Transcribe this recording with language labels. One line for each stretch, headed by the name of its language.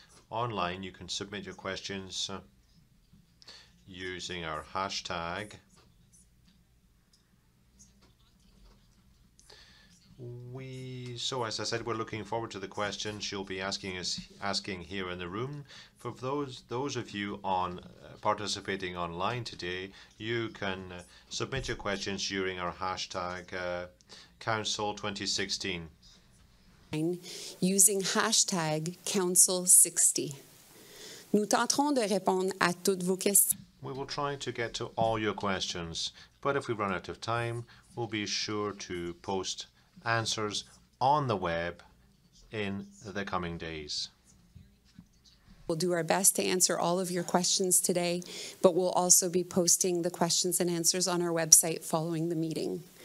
English: Online, you can submit your questions using our hashtag So as I said, we're looking forward to the questions you'll be asking us here in the room. For those of you on participating online today, you can submit your questions using our hashtag Council2016. Using hashtag Council60,
French: nous tenterons de répondre à toutes vos questions.
English: We will try to get to all your questions, but if we run out of time, we'll be sure to post answers on the web in the coming days. We'll do our best to answer all of your questions today, but we'll also be posting the questions and answers on our website following the meeting.